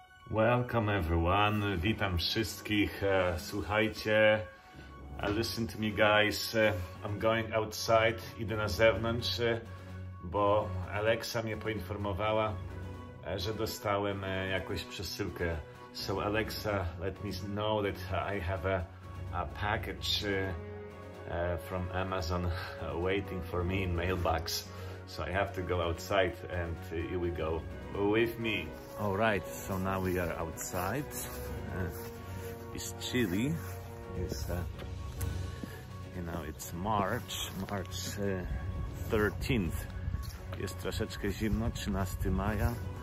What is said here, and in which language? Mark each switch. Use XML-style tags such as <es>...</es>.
<en>Welcome everyone,</en> <pl>witam wszystkich, słuchajcie,</pl> <en>listen to me guys, I'm going outside,</en> <pl>idę na zewnątrz, bo Alexa mnie poinformowała, że dostałem jakąś przesyłkę.</pl> <en>So Alexa, let me know that I have a package from Amazon waiting for me in mailbox. So I have to go outside and here we go with me. All right, so now we are outside. It's chilly. It's, you know, it's March, March 13th.</en> <pl>Jest troszeczkę zimno, 13 maja.</pl>